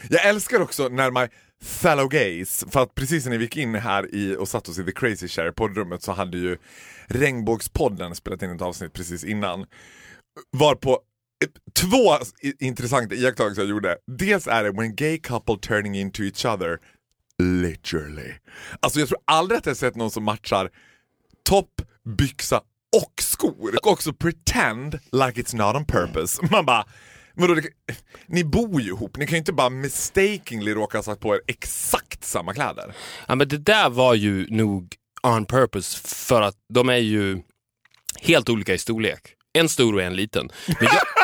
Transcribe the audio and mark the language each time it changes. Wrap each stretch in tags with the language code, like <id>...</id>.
<sv>Jag älskar också när</sv> <en>my fellow gays,</en> <sv>för att precis när vi gick in här i och satt oss i The Crazy Chair poddrummet så hade ju Regnbågspodden spelat in ett avsnitt precis innan. Varpå två intressanta iakttagelser jag gjorde. Dels är det</sv> <en>when gay couple turning into each other, literally.</en> <sv>Alltså jag tror aldrig att jag sett någon som matchar topp, byxa och skor. Och också</sv> <en>pretend like it's not on purpose.</en> <sv>Man bara, men då, ni bor ju ihop, ni kan ju inte bara mistakenly råka satt på er exakt samma kläder. Ja, men det där var ju nog</sv> <en>on purpose,</en> <sv>för att de är ju helt olika i storlek. En stor och en liten. Men jag...</sv>